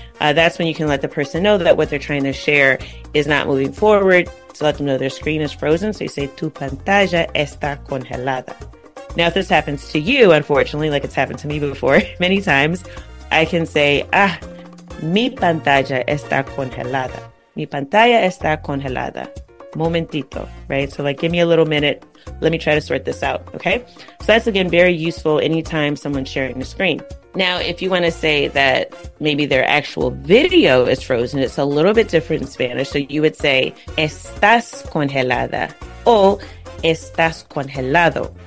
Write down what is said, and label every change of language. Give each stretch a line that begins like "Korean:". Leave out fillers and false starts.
English: That's when you can let the person know that what they're trying to share is not moving forward, to let them know their screen is frozen. So you say,
Spanish: tu pantalla está congelada.
English: Now, if this happens to you, unfortunately, like it's happened to me before many times, I can say,
Spanish: ah, mi pantalla está congelada. Mi pantalla está congelada. Momentito, right?
English: So like, give me a little minute. Let me try to sort this out, okay? So that's, again, very useful anytime someone's sharing the screen. Now, if you want to say that maybe their actual video is frozen, it's a little bit different in Spanish. So you would say,
Spanish: estás congelada o estás congelado.